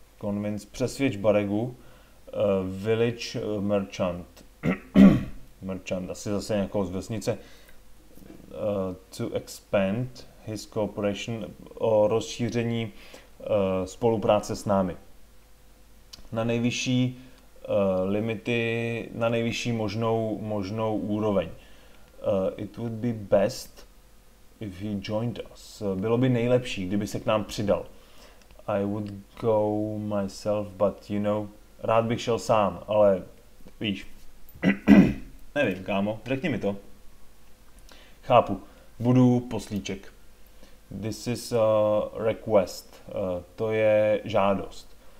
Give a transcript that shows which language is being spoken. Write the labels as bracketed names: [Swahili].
[Czech] Convince, přesvědč Baregu. [English] Village merchant. [Czech] Merchant, asi zase nějakou z vesnice. [English] To expand his cooperation, [Czech] o rozšíření spolupráce s námi. na nejvyšší limity, na nejvyšší možnou úroveň. [English] It would be best if he joined us. [Czech] Bylo by nejlepší, kdyby se k nám přidal. [English] I would go myself, but you know, [Czech] rád bych šel sám, ale víš, nevím, kámo, řekni mi to. Chápu, budu poslíček. [English] This is a request, [Czech] to je žádost.